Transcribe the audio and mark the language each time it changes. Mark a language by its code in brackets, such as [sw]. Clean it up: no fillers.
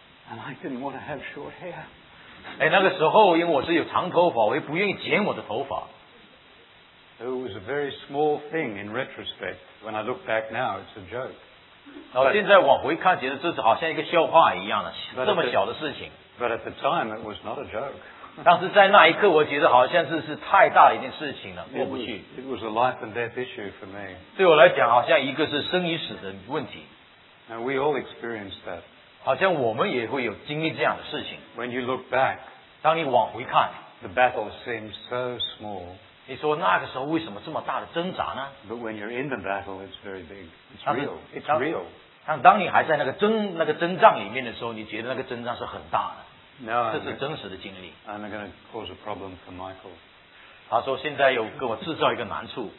[en] And I didn't want to have short hair. [zh] 那个时候因为我是有长头发,我也不愿意剪我的头发。 [en] It was a very small thing in retrospect. When I look back now, it's a joke. [zh] 现在往回看,觉得这好像一个笑话一样的,这么小的事情。 [en] But at the time, it was not a joke. [zh] 当时在那一刻,我觉得好像是太大一件事情了,过不去。 [en] It was a life and death issue for me. [zh] 对我来讲,好像一个是生与死的问题。 [en] And we all experience that. [zh] 好像我们也会有经历这样的事情。 [en] When you look back, [zh] 当你往回看, [en] the battle seems so small. [zh] 你说那个时候为什么这么大的挣扎呢? [en] But when you're in the battle, it's very big. It's real. It's real. [zh] 当你还在那个挣扎里面的时候, 你觉得那个挣扎是很大的。 [en] No, [zh] 这是真实的经历。 [en] I'm going to cause a problem for Michael. [zh] 他说现在有给我制造一个难处。